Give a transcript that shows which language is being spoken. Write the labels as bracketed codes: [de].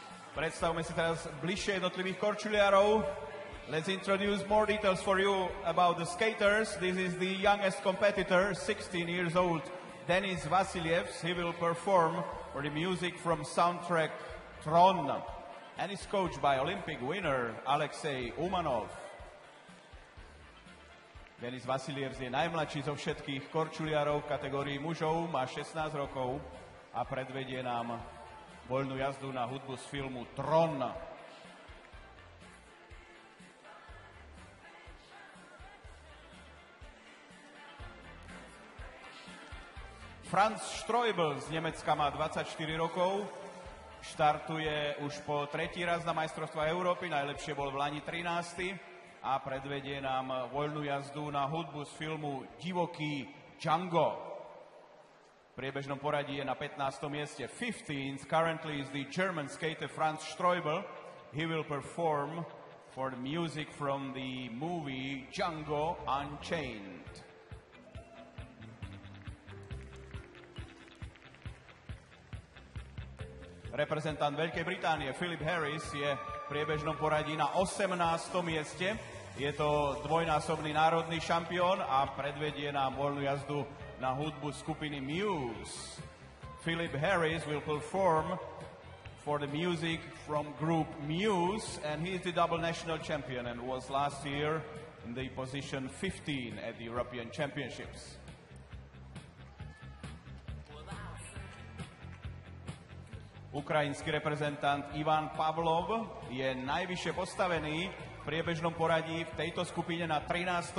[sk] Představme si teraz bližšie jednotlivých korčuliarov. [en] Let's introduce more details for you about the skaters. This is the youngest competitor, 16 years old, Denis Vasiliev. He will perform for the music from soundtrack Tron. And is coached by Olympic winner Alexei Umanov. [sk] Denis Vasiliev je najmladší zo všetkých korčuliarov v kategórii mužov. Má 16 rokov a predvedie nám voľnú jazdu na hudbu z filmu Tron. Franz Streubel z Nemecka má 24 rokov. Štartuje už po tretí raz na majstrovstvách Európy. Najlepšie bol v lani 13. A predvedie nám voľnú jazdu na hudbu z filmu Divoký Django. V priebežnom poradí je na 15. mieste. [en] 15th currently is the German skater Franz Streubel. He will perform for the music from the movie Django Unchained. [sk] Reprezentant Veľkej Británie Philip Harris je v priebežnom poradí na 18. mieste. Je to dvojnásobný národný šampión a predvedie nám voľnú jazdu na hudbu skupiny Muse. [en] Philip Harris will perform for the music from group Muse and he is the double national champion and was last year in the position 15 at the European Championships. [sk] Ukrajinský reprezentant Ivan Pavlov je najvyššie postavený v priebežnom poradí v tejto skupine na 13.